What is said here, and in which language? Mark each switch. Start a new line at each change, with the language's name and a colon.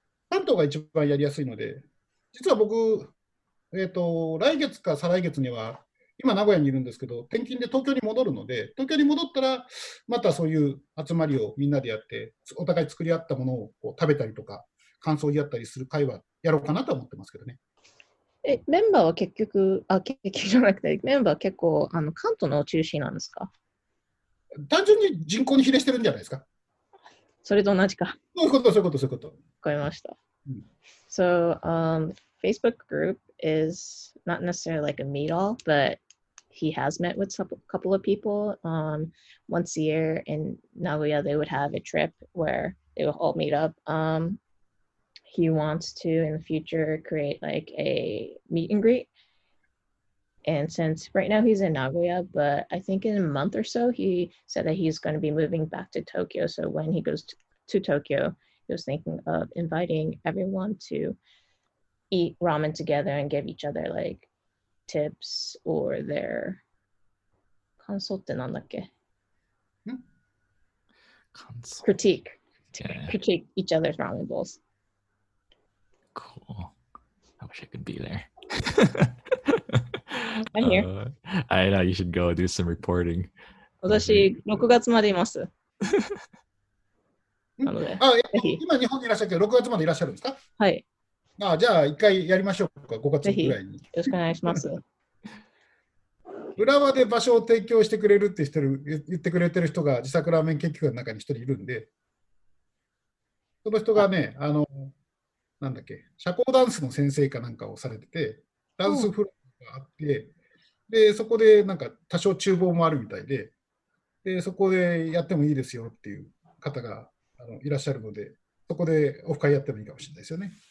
Japanese: 関東が一番やりやすいので、実は僕、来月か再来月には、今名古屋にいるんですけど、転勤で東京に戻るので、東京に戻ったら、またそういう集まりをみんなでやって、お互い作り合ったものをこう食べたりとか、感想を言い合ったりする会はやろうかなと思ってますけどね。メンバーは結局、メンバーは結構関東の中心なんですか？単純に人口に比例してるんじゃないですか？それと同じか。そういうこと、そういうこと、そういうこと。わかりました。
English: So, Facebook group is not necessarily like a meet all, but he has met with a couple of people. Once a year in Nagoya, they would have a trip where they would all meet up. He wants to, in the future, create like a meet and greet. And since right now he's in Nagoya, but I think in a month or so, he said that he's going to be moving back to Tokyo. So when he goes to Tokyo, he was thinking of inviting everyone to eat ramen together and give each other like tips or their consultant on that. Critique each other's ramen bowls. Cool. I wish I could be there. I'm here. I know you should go do some reporting.
Japanese: 私6月までいます。なので、今日本にいらっしゃって6月までいらっしゃるんですか？はい。あ、じゃあ一回やりましょうか、5月ぐらいに。ぜひよろしくお願いします。浦和で場所を提供してくれるって言ってる、言ってくれてる人が自作ラーメン研究会の中に一人いるんで、その人がね、あの、なんだっけ、社交ダンスの先生かなんかをされてて、ダンスフロアがあって、で、そこでなんか多少厨房もあるみたいで、で、そこでやってもいいですよっていう方が、あの、いらっしゃるので、そこでオフ会やってもいいかもしれないですよね。